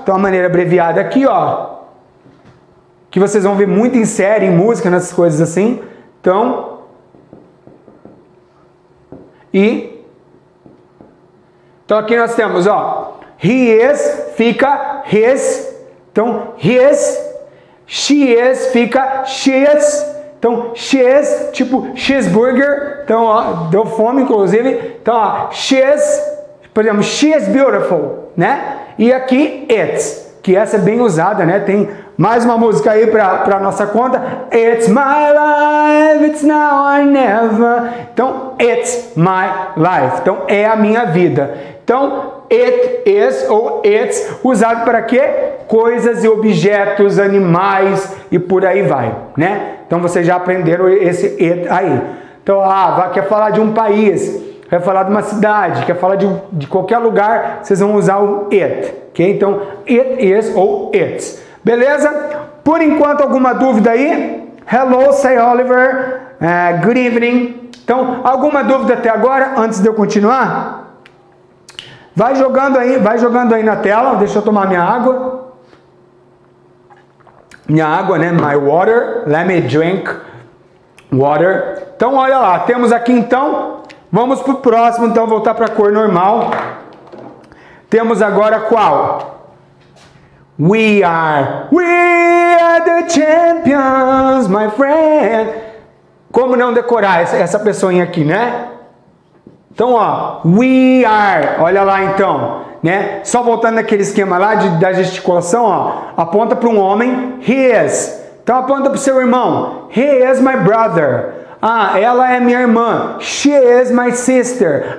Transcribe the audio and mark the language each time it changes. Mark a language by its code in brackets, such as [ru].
[pt] Então a maneira abreviada aqui, ó, que vocês vão ver muito em série, em música, nessas coisas assim. Então, então aqui nós temos, ó, [en] he is, [pt] fica [en] his. [pt] Então [en] his, she is, [pt] fica [en] she's. [pt] Então, [en] she's, [pt] tipo cheeseburger. Então, ó, deu fome, inclusive. Então, ó, she's, por exemplo, [en] she's beautiful, [pt] né? E aqui, [en] it's, [pt] que essa é bem usada, né? Tem mais uma música aí pra nossa conta. [en] It's my life, it's now or never. [pt] Então, [en] it's my life. [pt] Então, é a minha vida. Então, [en] it is [pt] ou [en] it's, [pt] usado para quê? Coisas e objetos, animais e por aí vai, né? Então, vocês já aprenderam esse it aí. Então, ah, quer falar de um país, quer falar de uma cidade, quer falar de qualquer lugar, vocês vão usar o it, ok? Então, [en] it is [pt] ou [en] it's. [pt] Beleza? Por enquanto, alguma dúvida aí? [en] Hello, say Oliver. Good evening. [pt] Então, alguma dúvida até agora, antes de eu continuar? Vai jogando aí na tela. Deixa eu tomar minha água. Minha água, né? [en] My water. Let me drink water. [pt] Então, olha lá. Temos aqui, então. Vamos pro próximo, então. Voltar pra cor normal. Temos agora qual? [en] We are. We are the champions, my friend. [pt] Como não decorar essa pessoinha aqui, né? Então, ó, [en] we are, [pt] olha lá então, né? Só voltando naquele esquema lá da gesticulação, ó, aponta para um homem, [en] he is. [pt] Então aponta para o seu irmão, [en] he is my brother. [pt] Ah, ela é minha irmã, [en] she is my sister.